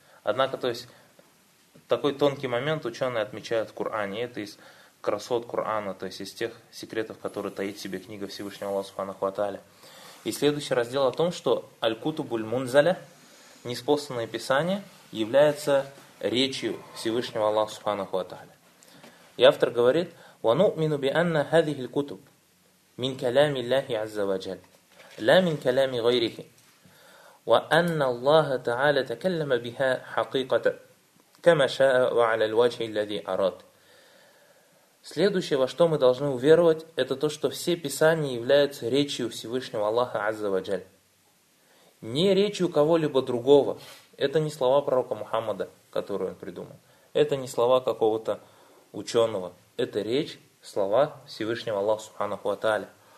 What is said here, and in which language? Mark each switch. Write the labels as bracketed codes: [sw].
[ru] Однако, то есть, такой тонкий момент ученые отмечают в Коране. Это из красот Корана, то есть, из тех секретов, которые таит в себе книга Всевышнего Аллаха Субханаху ва Тааля. И следующий раздел о том, что «аль-кутубуль-мунзаля», неспосланное писание, является речью Всевышнего Аллаха Субханаху ва Тааля. И автор говорит: [ar] وَنُؤْمِنُ بِأَنَّ هَذِهِ الْكُتُبْ مِنْ كَلَامِ اللَّهِ عَزَّ وَجَلْ لَا مِنْ كَلَامِ غَيْرِهِ وَأَنَّ اللَّهَ تَعَالَى تَكَلَّمَ بِهَا حَقِيقَةً كَمَا شَاءَ وَعَلَى الْوَجْهِ الَّذِي أَرَادَ. [ru] Следующее, во что мы должны уверовать, это то, что все писания являются речью Всевышнего Аллаха Азза ва Джаль. Не речью кого-либо другого. Это не слова пророка Мухаммада, которые он придумал. Это не слова какого-то ученого. Это речь, слова Всевышнего Аллаха Субханаху ва Тааля.